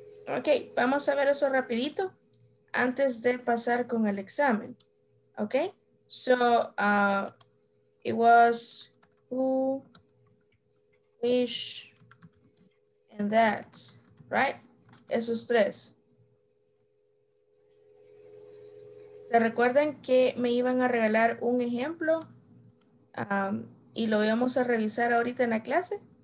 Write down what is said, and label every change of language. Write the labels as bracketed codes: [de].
[es] Okay, vamos a ver eso rapidito antes de pasar con el examen. [en] Okay, so it was who, which, and that, right? [es] Esos tres. ¿Se recuerdan que me iban a regalar un ejemplo? ¿Y lo íbamos a revisar ahorita en la clase?